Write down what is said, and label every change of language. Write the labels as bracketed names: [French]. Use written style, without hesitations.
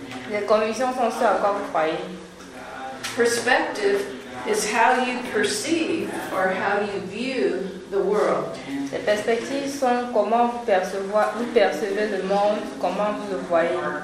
[French] Les convictions sont ce à quoi vous croyez. [English] Perspective is how you perceive or how you view the world. [French] Les perspectives sont comment vous percevez le monde, comment vous le voyez.